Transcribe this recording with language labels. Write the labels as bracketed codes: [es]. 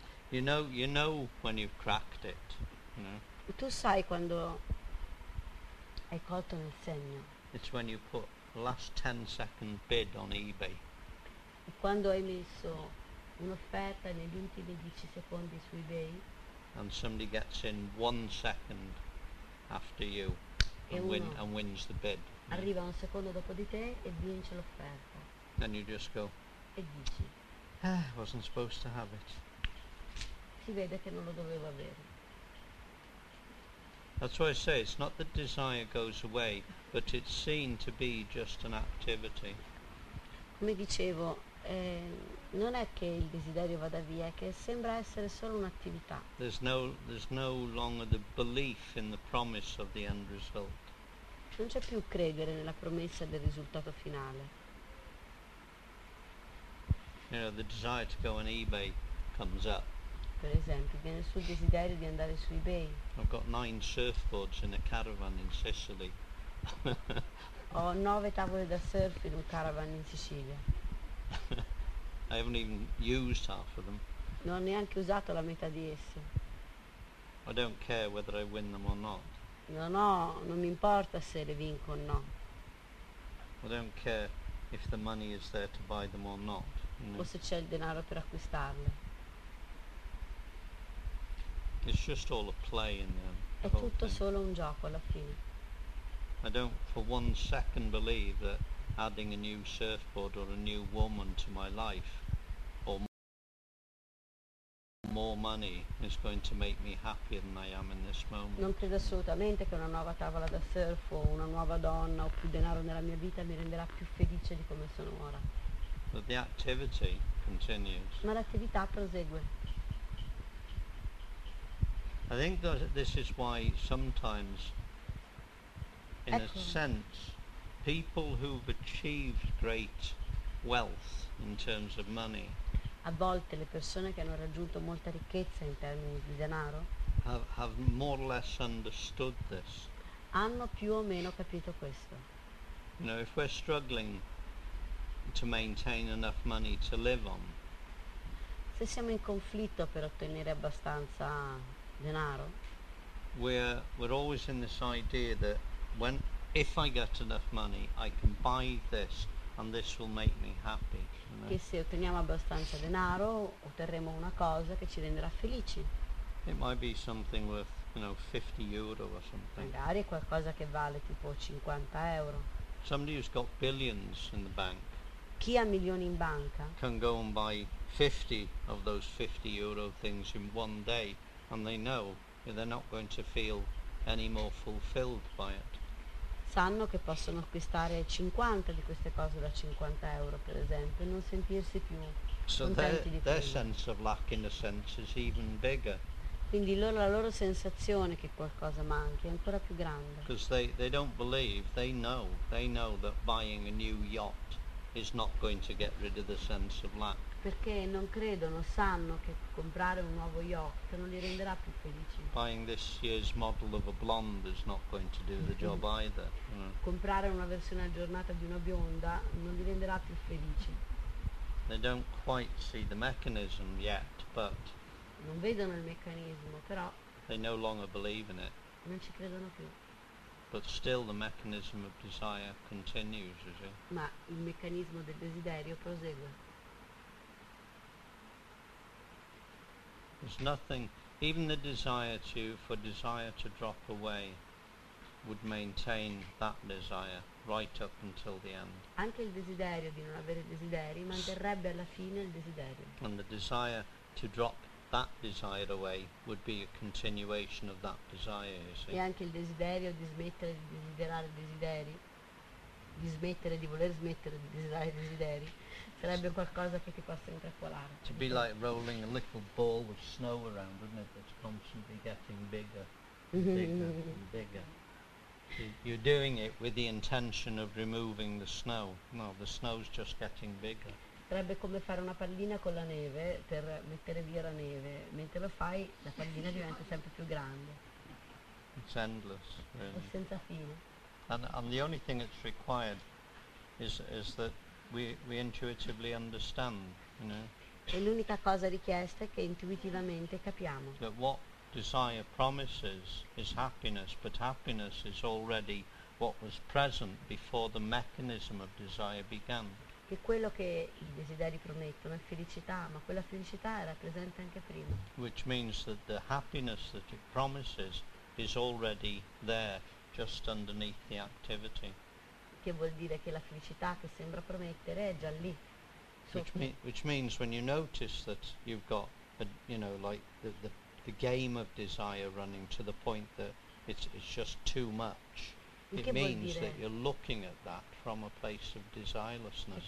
[en] You know when you've cracked it, you know? [it] Tu sai quando hai colto nel segno. [en] It's when you put last 10 second bid on eBay. [it] E quando hai messo un'offerta negli ultimi 10 secondi su eBay. [en] And somebody gets in 1 second after you and wins the bid. [it] Arriva un secondo dopo di te e vince l'offerta. [en] And you just go. [it] E dici. [en] Wasn't supposed to have it. [it] Si vede che non lo dovevo avere. [en] That's why I say it's not that desire goes away, but it's seen to be just an activity. [it] Come dicevo, non è che il desiderio vada via, è che sembra essere solo un'attività. [en] There's no longer the belief in the promise of the end result. [it] Non c'è più credere nella promessa del risultato finale. [en] You know, the desire to go on eBay comes up. [it] Per esempio, viene sul desiderio di andare su eBay. [en] I've got 9 surfboards in a caravan in Sicily. [it] Ho 9 tavole da surf in un caravan in Sicilia. [en] I haven't even used half of them. [it] Non ho neanche usato la metà di esse. [en] I don't care whether I win them or not. [it] No, non mi importa se le vinco o no. [en] I don't care if the money is there to buy them or not. [it] O se c'è il denaro per acquistarle. [en] It's just all a play in the [it] È tutto solo un gioco alla fine. [en] I don't for one second believe that adding a new surfboard or a new woman to my life or more money is going to make me happier than I am in this moment. [it] Non credo assolutamente che una nuova tavola da surf o una nuova donna o più denaro nella mia vita mi renderà più felice di come sono ora. [en] But the activity continues. [it] Ma l'attività prosegue. [en] I think that this is why sometimes, in [it] ecco. [en] A sense, people who've achieved great wealth in terms of money. [it] A volte le persone che hanno raggiunto molta ricchezza in termini di denaro [en] have more or less understood this. [it] Hanno più o meno capito questo. [en] You know, if we're struggling to maintain enough money to live on, [it] se siamo in conflitto per ottenere abbastanza denaro, [en] we're always in this idea that when if I get enough money I can buy this and this will make me happy. [it] Che se otteniamo abbastanza denaro otterremo una cosa che ci renderà felici. [en] It might be something worth, you know, 50 euro or something. [it] Magari è qualcosa che vale tipo 50 euro. [en] Somebody who's got billions in the bank. [it] Chi ha milioni in banca? [en] Can go and buy 50 of those 50 euro things in one day, and they know that they're not going to feel any more fulfilled by it. [it] Sanno che possono acquistare 50 di queste cose da 50 euro, per esempio, e non sentirsi più contenti di più. Quindi la loro sensazione che qualcosa manchi è ancora più grande. [en] Because they don't believe, they know that buying a new yacht is not going to get rid of the sense of lack. [it] Perché non credono, sanno che comprare un nuovo yacht non li renderà più felici. [en] Buying this year's model of a blonde is not going to do the job either. Mm. [it] Comprare una versione aggiornata di una bionda non li renderà più felici. [en] They don't quite see the mechanism yet, but [it] non vedono il meccanismo, però [en] they no longer believe in it. [it] Non ci credono più. [en] But still the mechanism of desire continues, is it? [it] Ma il meccanismo del desiderio prosegue. [en] There's nothing, even the desire to, for desire to drop away would maintain that desire right up until the end. [it] Anche il desiderio di non avere desideri manterrebbe alla fine il desiderio. [en] And the desire to drop that desire away would be a continuation of that desire, you see. [it] E anche il desiderio di smettere di desiderare desideri, di smettere di voler smettere di desiderare desideri, sarebbe qualcosa che ti possa intrappolare. [en] To be like rolling a little ball with snow around, wouldn't it? That's constantly getting bigger and bigger and bigger. You're doing it with the intention of removing the snow. No, the snow's just getting bigger. [it] Sarebbe come fare una pallina con la neve per mettere via la neve. Mentre lo fai, la pallina diventa sempre più grande. [en] It's endless, really. [it] È senza fine. [en] And the only thing that's required is that we intuitively understand, you know. [it] E l'unica cosa richiesta è che intuitivamente capiamo. [en] That what desire promises is happiness, but happiness is already what was present before the mechanism of desire began. [it] Che quello che i desideri promettono è felicità, ma quella felicità era presente anche prima. [en] Which means that the happiness that it promises is already there. Just underneath the activity. [it] Che vuol dire che la felicità che sembra promettere è già lì. [en] Which means when you notice that you've got, you know, like the game of desire running to the point that it's just too much. It means that you're looking at that from a place of desirelessness.